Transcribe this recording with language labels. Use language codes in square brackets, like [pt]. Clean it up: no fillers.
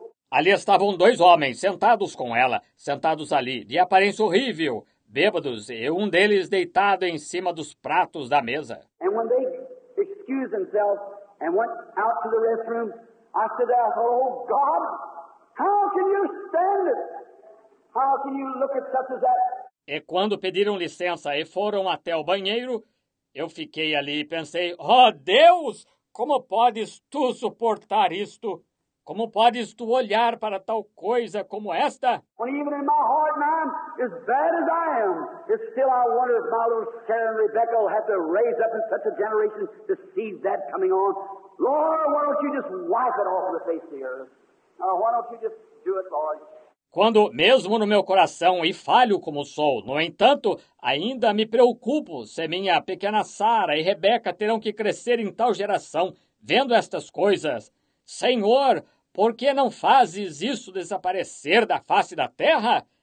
[pt] Ali estavam dois homens sentados com ela, sentados ali, de aparência horrível, bêbados, e um deles deitado em cima dos pratos da mesa. [en] And when they excused themselves and went out to the restroom, I said, oh God, how can you stand it? How can you look at such as that? [pt] E quando pediram licença e foram até o banheiro, eu fiquei ali e pensei, oh Deus, como podes tu suportar isto? Como podes tu olhar para tal coisa como esta? [en] Even in my heart, man, as bad as I am, it's still I wonder if my little Sarah and Rebecca will have to raise up in such a generation to see that coming on. Lord, why don't you just wipe it off the face of the earth? Why don't you just do it, Lord? [pt] Quando, mesmo no meu coração e falho como sou, no entanto, ainda me preocupo se minha pequena Sarah e Rebecca terão que crescer em tal geração, vendo estas coisas. Senhor, por que não fazes isso desaparecer da face da terra?